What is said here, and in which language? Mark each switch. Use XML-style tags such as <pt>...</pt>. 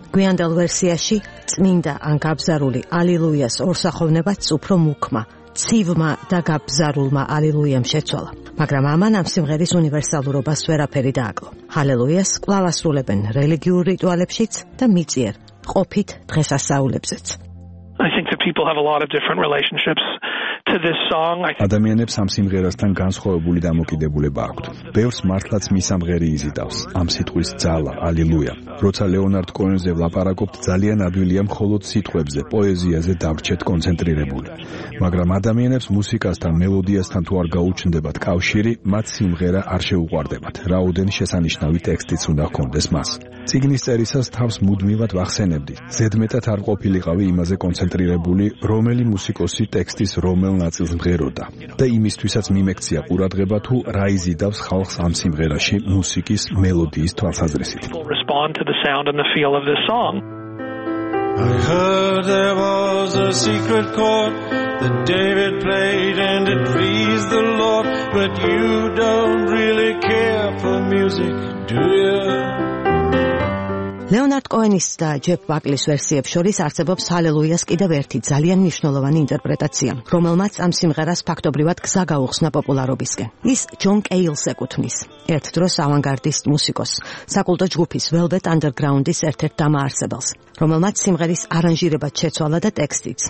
<ka>გვიანდელ ვერსიაში წმინდა ან გაბზარული ალილუიას ორსახოვნებაც უფრო მუქმა, ცივმა და გაბზარულმა ალილუიამ შეცვალა. მაგრამ ამან ამ სიმღერის უნივერსალურობას ვერაფერი დააკლო. ჰალელუიას კვლავ ასრულებენ რელიგიურ რიტუალებშიც და მიწიერ ყოფით დღესასწაულებზეც.</ka> <en>I think that people have a lot of different relationships to this song.</en> <ka>ადამიანებს ამ სიმღერასთან განსხვავებული დამოკიდებულება აქვთ. ბევრს მართლაც მისამღერი იზიდავს ამ სიტყვის ძალა, ალილუია. როცა ლეონარდ კოენზე ვლაპარაკობთ, ძალიან ადვილია მხოლოდ სიტყვებზე, პოეზიაზე დავრჩეთ კონცენტრირებული. მაგრამ ადამიანებს მუსიკასთან, მელოდიასთან თუ არ გაუჩნდებათ კავშირი, მათ სიმღერა არ შეუყვარდებათ, რაოდენ შესანიშნავი ტექსტიც უნდა ჰქონდეს მას. წიგნის წერისას თავს მუდმივად ვახსენებდი, ზედმეტად არ ყოფილიყავი იმაზე კონცენტრირებული, რომელი მუსიკოსი ტექსტის რომელ ნაწილს მღეროდა და იმისთვისაც მიმექცია ყურადღება, თუ რა იზიდავს ხალხს ამ სიმღერაში მუსიკის მელოდიის თვალსაზრისით.</ka> <en>To the sound and the feel of this song. I heard there was a secret chord that David played and it pleased the Lord, but you don't really care for music, do you?</en> <ka>ლეონარდ კოენის და ჯეფ ბაკლის ვერსიებს შორის არსებობს ჰალელუიას კიდევ ერთი ძალიან მნიშვნელოვანი ინტერპრეტაცია, რომელმაც ამ სიმღერას ფაქტობრივად გზა გაუხსნა პოპულარობისკენ. ის ჯონ კეილს ეკუთვნის, ერთ დროს ავანგარდის მუსიკოს, საკულტო ჯგუფის Velvet Underground-ის ერთ-ერთ დამაარსებელს, რომელმაც სიმღერის არანჟირება შეცვალა და ტექსტიც.</ka>